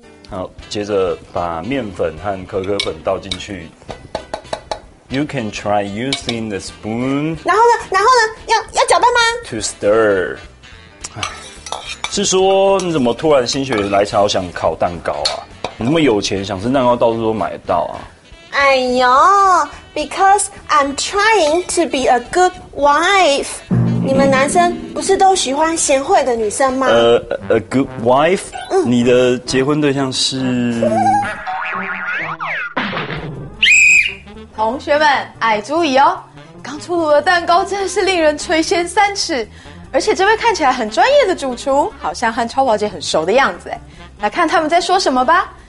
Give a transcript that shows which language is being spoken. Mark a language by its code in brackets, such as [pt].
[zh] 好，接着把面粉和可可粉倒进去。 [en] You can try using the spoon. [zh] 然后呢？要搅拌吗 [en] ？To stir. [zh] 是说你怎么突然心血来潮想烤蛋糕啊？你那么有钱，想吃蛋糕到处都买得到啊？哎呦 [en] ，Because I'm trying to be a good wife. [zh] 你们男生不是都喜欢贤惠的女生吗？ [en] A good wife.、 [zh] 嗯、你的结婚对象是？同学们，矮猪姨哦，刚出炉的蛋糕真的是令人垂涎三尺，而且这位看起来很专业的主厨好像和超跑姐很熟的样子，哎，来看他们在说什么吧。